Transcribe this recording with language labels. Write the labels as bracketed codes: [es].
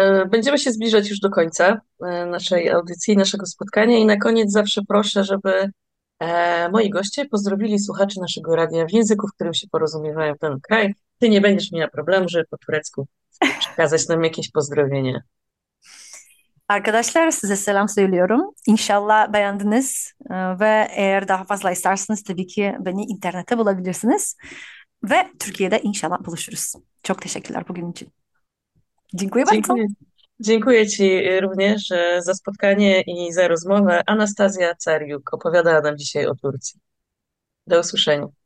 [pl] Będziemy się zbliżać już do końca naszej audycji, naszego spotkania i na koniec zawsze proszę, żeby moi goście pozdrowili słuchaczy naszego radia w języku, w którym się porozumiewają w danym kraju. Ty nie będziesz miała problemu, żeby po turecku przekazać nam jakieś pozdrowienie. [tr] Arkadaşlar size selam söylüyorum. İnşallah beğendiniz ve eğer daha fazla isterseniz tabii ki beni internette bulabilirsiniz. Ve Türkiye'de inşallah buluşuruz. Çok teşekkürler bugün için. [pl] Dziękuję bardzo. Dziękuję. Dziękuję Ci również za spotkanie i za rozmowę. Anastazja Cariuk opowiadała nam dzisiaj o Turcji. Do usłyszenia.